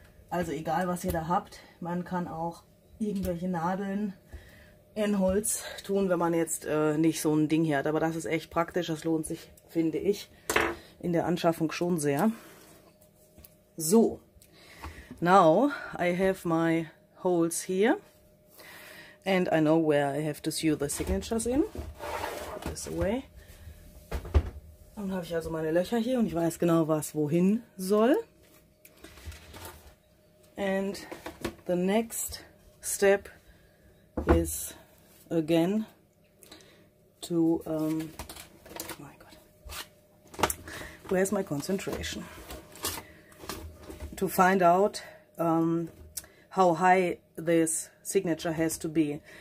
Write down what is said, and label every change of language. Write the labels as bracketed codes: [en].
[de] Also egal, was ihr da habt, man kann auch irgendwelche Nadeln in Holz tun, wenn man jetzt nicht so ein Ding hier hat. Aber das ist echt praktisch, das lohnt sich, finde ich, in der Anschaffung schon sehr. [en] So, now I have my holes here and I know where I have to sew the signatures in. Put this away. [de] Dann habe ich also meine Löcher hier und ich weiß genau, was wohin soll. [en] And the next step is again to my God. Where's my concentration? To find out how high this signature has to be.